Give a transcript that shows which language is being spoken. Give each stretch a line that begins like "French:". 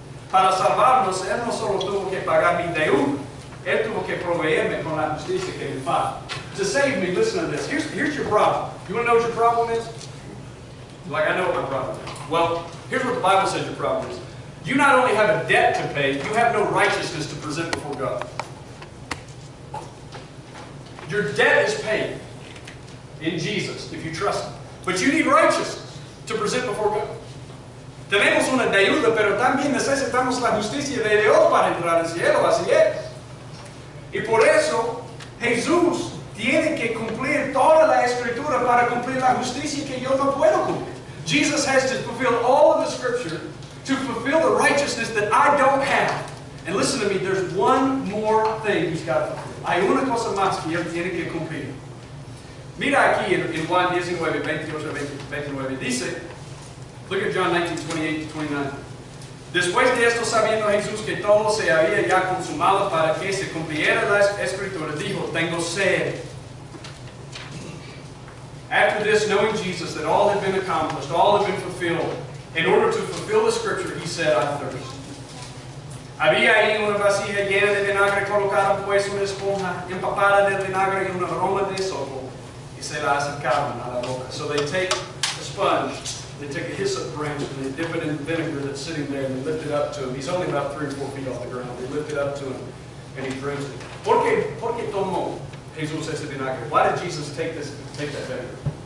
Spanish: Para salvarnos, Él no solo tuvo que pagar mi deuda. Él tuvo que proveerme con la justicia que me paga.
English: To save me, listen to this. Here's your problem. You want to know what your problem is? Like, I know what my problem is. Well, here's what the Bible says your problem is. You not only have a debt to pay, you have no righteousness to present before God. Your debt is paid in Jesus, if you trust Him. But you need righteousness to present before God.
Spanish: Tenemos una deuda, pero también necesitamos la justicia de Dios para entrar al cielo, así es. Y por eso, Jesús tiene que cumplir toda la Escritura para cumplir la justicia que yo no puedo cumplir.
English: Jesus has to fulfill all of the Scripture to fulfill the righteousness that I don't have. And listen to me, there's one more thing He's got to fulfill.
Spanish: Hay una cosa más que Él tiene que cumplir. Mira aquí en Juan 19, 28, 29, dice,
English: look at John 19, 28 to 29.
Spanish: Después de esto, sabiendo Jesús que todo se había ya consumado para que se cumpliera la Escritura, dijo, tengo sed.
English: After this, knowing Jesus, that all had been accomplished, all had been fulfilled, in order to fulfill the Scripture, He said, I thirst.
Spanish: Había ahí una vasija llena de vinagre, colocaron pues una esponja empapada de vinagre y una aroma de sopo, y se la acercaron a la boca.
English: So they take a sponge, they take a hyssop branch, and they dip it in the vinegar that's sitting there, and they lift it up to Him. He's only about 3 or 4 feet off the ground. They lift it up to Him, and He drinks it.
Spanish: ¿Por qué tomó Jesús ese vinagre?
English: Why did Jesus take that vinegar?